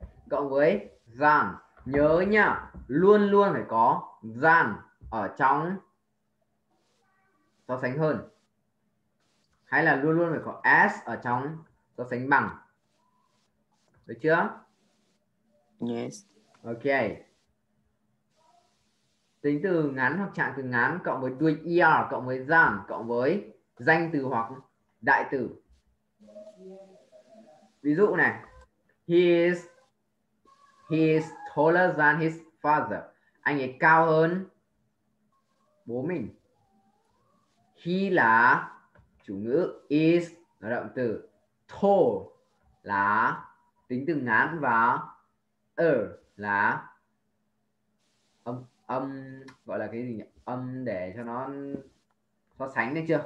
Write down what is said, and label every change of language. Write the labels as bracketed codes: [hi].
[vi] Cộng với than, nhớ nha, luôn luôn phải có than ở trong so sánh hơn, hay là luôn luôn phải có s ở trong so sánh bằng, được chưa? [en] Yes. Ok. [vi] Tính từ ngắn hoặc trạng từ ngắn cộng với đuôi er cộng với than cộng với danh từ hoặc đại từ. Ví dụ này, [en] he is taller than his father. [vi] Anh ấy cao hơn bố mình. He là chủ ngữ, is là động từ, tall là tính từ ngắn và là âm gọi là cái gì nhỉ? Âm để cho nó so sánh, được chưa?